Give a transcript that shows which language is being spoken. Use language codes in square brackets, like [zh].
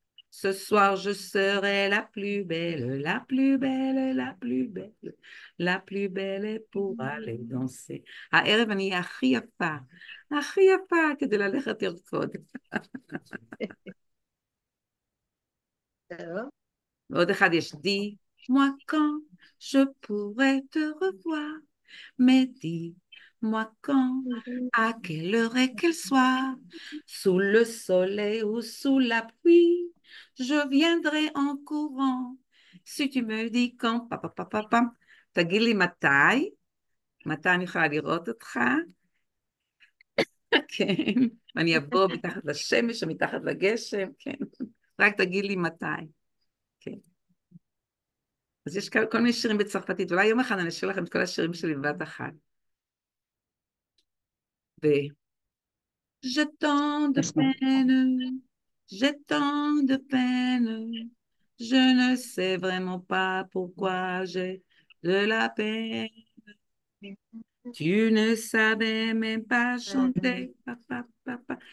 [fr] Ce soir je serai la plus belle, la plus belle, la plus belle, la plus belle pour aller danser. [he] הערב אני אהיה הכי יפה, הכי יפה כדי ללכת לרקוד. עוד אחד יש די, [fr] moi quand je pourrais te revoir, mais dis, moi quand, à quelle heure et quel soir, sous le soleil ou sous la pluie, je viendrai en courant, si tu me dis quand, pa pa pa pa pa, [he] תגיד לי מתי, מתי אני יכולה לראות אותך, כן, ואני אבוא מתחת לשמש או מתחת לגשם, כן, רק תגיד לי מתי. אז יש כל מיני שירים בצרפתית, אולי יום אחד אני אשאיר לכם את כל השירים שלי בבת אחת. ו... [fr] J'ai tant de peine, j'ai tant de peine, je ne sais vraiment pas pourquoi j'ai de la peine. Tu ne savais même pas chanter, pa, pa, pa, pa.